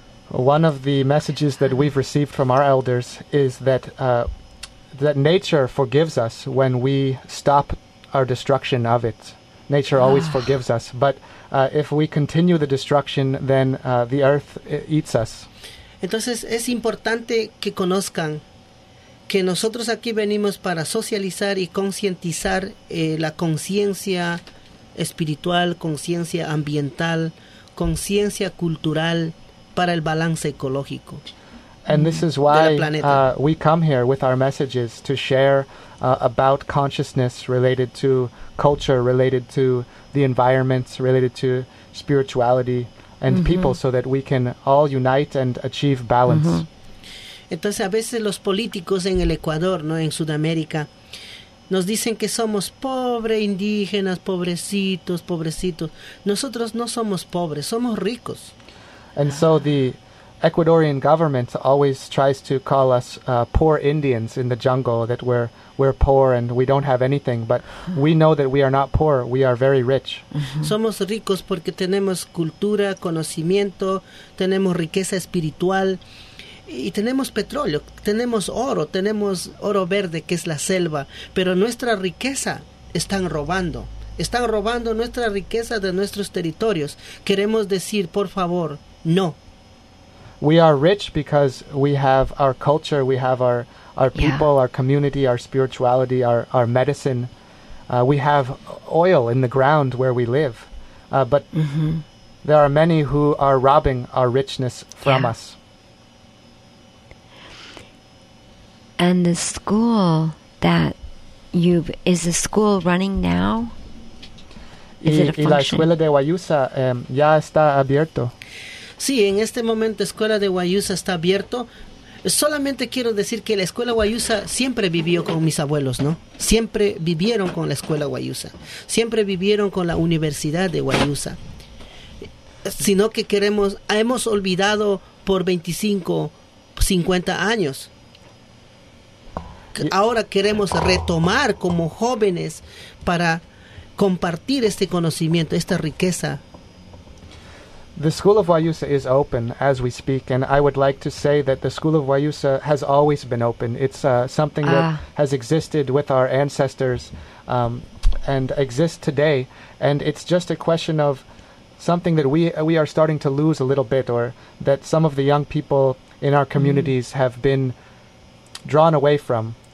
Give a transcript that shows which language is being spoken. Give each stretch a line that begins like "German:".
English: One of the messages that we've received from our elders is that that nature forgives us when we stop our destruction of it. Nature always forgives us. But if we continue the destruction, then the earth eats us.
Spanish: Entonces es importante que conozcan que nosotros aquí venimos para socializar y concientizar la conciencia espiritual, conciencia ambiental, conciencia cultural para el balance ecológico.
English: And this is why we come here with our messages to share about consciousness related to culture, related to the environment, related to spirituality and people, so that we can all unite and achieve balance.
Spanish: Entonces, a veces los políticos en el Ecuador, ¿no?, en Sudamérica, nos dicen que somos pobres indígenas, pobrecitos, pobrecitos. Nosotros no somos pobres, somos ricos.
English: And so the Ecuadorian government always tries to call us poor Indians in the jungle, that we're poor and we don't have anything. But we know that we are not poor, we are very rich.
Spanish: Somos ricos porque tenemos cultura, conocimiento, tenemos riqueza espiritual. Y tenemos petróleo, tenemos oro verde, que es la selva, pero nuestra riqueza están robando, están robando nuestra riqueza de nuestros territorios. Queremos decir, por favor, no.
English: We are rich because we have our culture, we have our people, yeah, our community, our spirituality, our medicine. We have oil in the ground where we live. But mm-hmm, there are many who are robbing our richness from yeah us. And the school that you've, is the school running now? Is it a function?
Spanish: Y la escuela de Guayusa ya está abierto. Sí, en este momento Escuela de Guayusa está abierto. Solamente quiero decir que la Escuela Guayusa siempre vivió con mis abuelos, ¿no? Siempre vivieron con la Escuela Guayusa. Siempre vivieron con la Universidad de Guayusa. Sino que queremos, hemos olvidado por 25, 50 años. Ahora queremos retomar como jóvenes para compartir este conocimiento, esta riqueza.
English: The School of Guayusa is open as we speak, and I would like to say that the School of Guayusa has always been open. It's something that has existed with our ancestors and exists today, and it's just a question of something that we are starting to lose a little bit, or that some of the young people in our communities mm-hmm have been drawn away from.